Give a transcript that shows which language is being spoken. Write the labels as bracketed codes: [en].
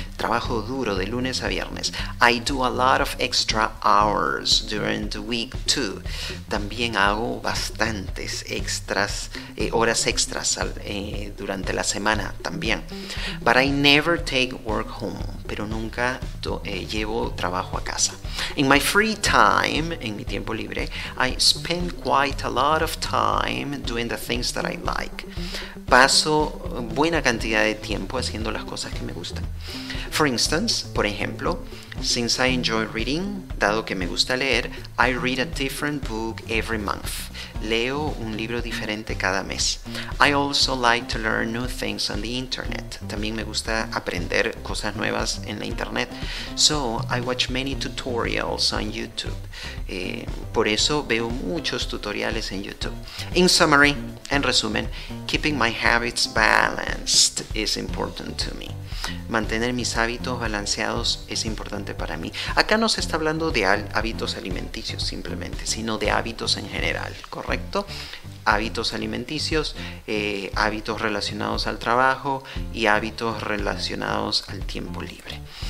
[es] Trabajo duro de lunes a viernes. [en] I do a lot of extra hours during the week too. [es] También hago bastantes extras, horas extras durante la semana también. [en] But I never take work home. [es] Pero nunca llevo trabajo a casa. [en] In my free time, [es] en mi tiempo libre, [en] I spend quite a lot of time doing the things that I like. [es] Paso buena cantidad de tiempo haciendo las cosas que me gustan. [en] For instance, [es] por ejemplo, [en] since I enjoy reading, [es] dado que me gusta leer, [en] I read a different book every month. [es] Leo un libro diferente cada mes. [en] I also like to learn new things on the internet. [es] También me gusta aprender cosas nuevas en la internet. [en] So, I watch many tutorials on YouTube. [es] Por eso veo muchos tutoriales en YouTube. [en] In summary, [es] en resumen, [en] keeping my habits balanced is important to me. [es] Mantener mis hábitos balanceados es importante para mí. Acá no se está hablando de hábitos alimenticios simplemente, sino de hábitos en general, ¿correcto? Hábitos alimenticios, hábitos relacionados al trabajo y hábitos relacionados al tiempo libre.